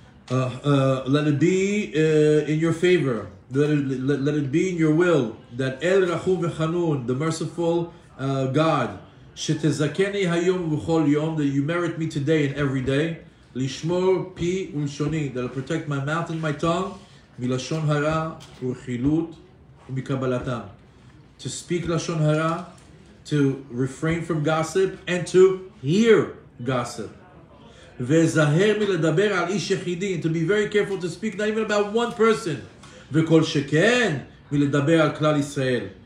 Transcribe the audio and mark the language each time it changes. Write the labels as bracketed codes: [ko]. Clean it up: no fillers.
[en] Let it be in your favor. Let it be in your will. That El Rachum v'Chanun, the merciful God. [he] Shetezakeni hayom v'chol yom, [en] that you merit me today and every day. [he] Lishmor pi ulshoni, [en] that will protect my mouth and my tongue. [he] מלשון הרע ורחילות ומקבלתם. [en] To speak לשון הרע, to refrain from gossip, and to hear gossip. [he] וזהר מלדבר על איש יחידי, [en] and to be very careful to speak not even about one person. [he] וכל שכן מלדבר על כלל ישראל.